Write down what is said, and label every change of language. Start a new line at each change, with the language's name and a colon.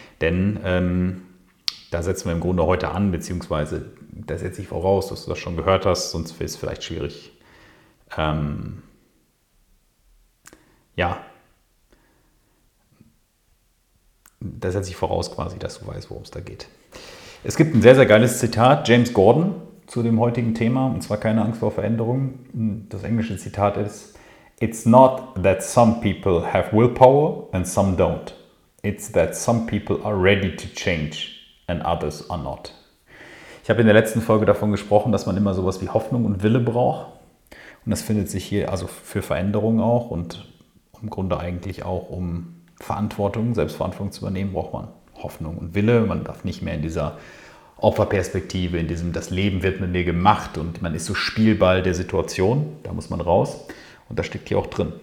German: Denn da setzen wir im Grunde heute an, beziehungsweise da setze ich voraus, dass du das schon gehört hast, sonst ist es vielleicht schwierig, das setze ich voraus quasi, dass du weißt, worum es da geht. Es gibt ein sehr, sehr geiles Zitat, James Gordon, zu dem heutigen Thema, und zwar keine Angst vor Veränderungen.
English: Das englische Zitat ist: It's not that some people have willpower and some don't. It's that some people are ready to change and others are not.
German: Ich habe in der letzten Folge davon gesprochen, dass man immer sowas wie Hoffnung und Wille braucht. Und das findet sich hier also für Veränderungen auch und im Grunde eigentlich auch, um Verantwortung, Selbstverantwortung zu übernehmen, braucht man Hoffnung und Wille. Man darf nicht mehr in dieser Opferperspektive, in diesem, das Leben wird mit mir gemacht und man ist so Spielball der Situation, da muss man raus. Und das steckt hier auch drin.